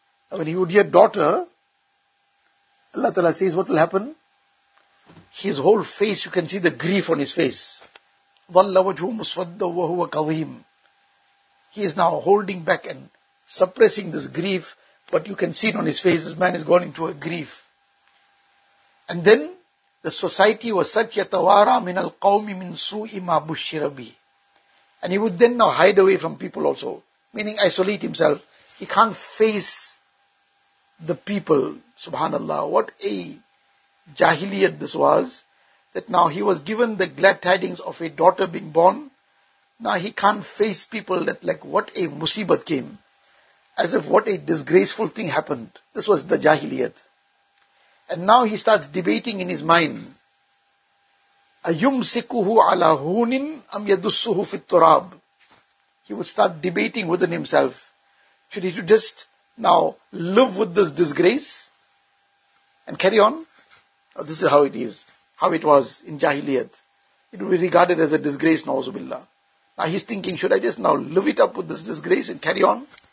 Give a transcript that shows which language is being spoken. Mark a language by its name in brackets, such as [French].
[English] And when he would hear daughter, Allah Ta'ala says, what will happen? His whole face, you can see the grief on his face. [Arabic] وَاللَّ وَجْهُ مُسْوَدَّ وَهُوَ كَظِيمٌ. [English] He is now holding back and suppressing this grief, but you can see it on his face, this man has gone into a grief. And then, the society was such, [Arabic] يَتَوَارَى مِنَ الْقَوْمِ مِنْ سُوءِ مَا بُشِّرَ بِهِ. [English] And he would then now hide away from people also, meaning isolate himself. He can't face the people. Subhanallah, what a jahiliyat this was, that now he was given the glad tidings of a daughter being born. Now he can't face people, that like what a musibat came. As if what a disgraceful thing happened. This was the jahiliyat. And now he starts debating in his mind. [Arabic] أَيُمْسِكُهُ عَلَى هُونٍ أَمْ يَدُسُّهُ فِي التُّرَابِ. [English] He would start debating within himself. Should he just now live with this disgrace and carry on? Oh, this is how it is, how it was in Jahiliyat. It would be regarded as a disgrace, na'uzu billah. Now he's thinking, should I just now live it up with this disgrace and carry on?